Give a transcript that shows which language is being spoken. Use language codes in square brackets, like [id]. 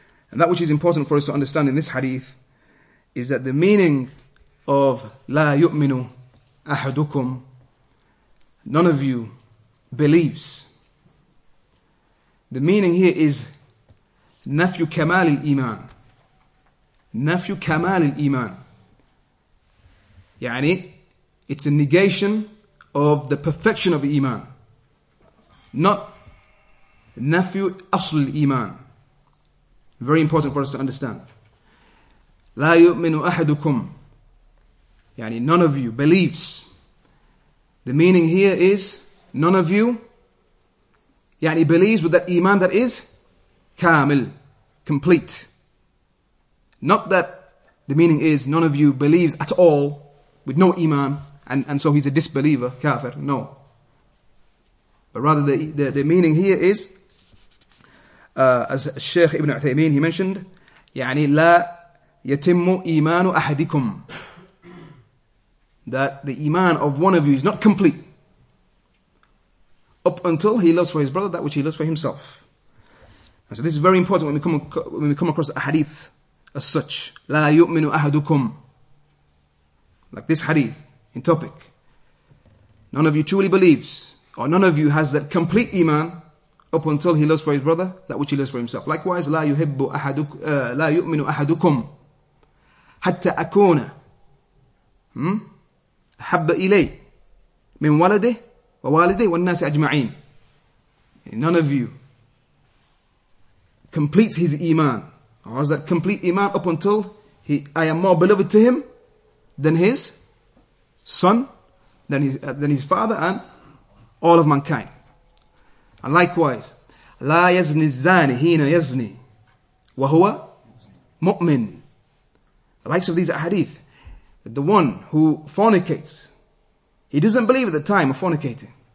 [en] And that which is important for us to understand in this hadith is that the meaning of [ar] لا يؤمن أحدكم, [en] none of you believes, the meaning here is [ar] نفي كمال الإيمان. نفي كمال الإيمان, يعني [en] it's a negation of the perfection of iman, not [ar] نفي أصل الإيمان. [en] Very important for us to understand. [ar] لا يؤمن أحدكم, يعني [en] none of you believes. The meaning here is none of you, يعني believes with that iman that is كامل, complete. Not that the meaning is none of you believes at all with no iman, and so he's a disbeliever, kafir. No. But rather the meaning here is, as Shaykh Ibn Uthaymeen, he mentioned, [ar] يعني لا يتم إيمان أحدكم, [en] that the iman of one of you is not complete up until he loves for his brother that which he loves for himself. And so this is very important when we come across a hadith as such, [ar] لا يؤمن أحدكم, [en] like this hadith in topic, none of you truly believes, or none of you has that complete iman up until he loves for his brother that which he loves for himself. [ar] Likewise, لا يؤمن أحدكم حتى أكون أحب إليه من ولده ووالده والناس أجمعين. [en] None of you completes his iman, or has that complete iman up until I am more beloved to him than his son, than his father, and all of mankind. [ar] And likewise, لا يزني الزاني حين يزني وهو مؤمن. [en] The likes of these hadith, the one who fornicates He doesn't believe at the time of fornicating.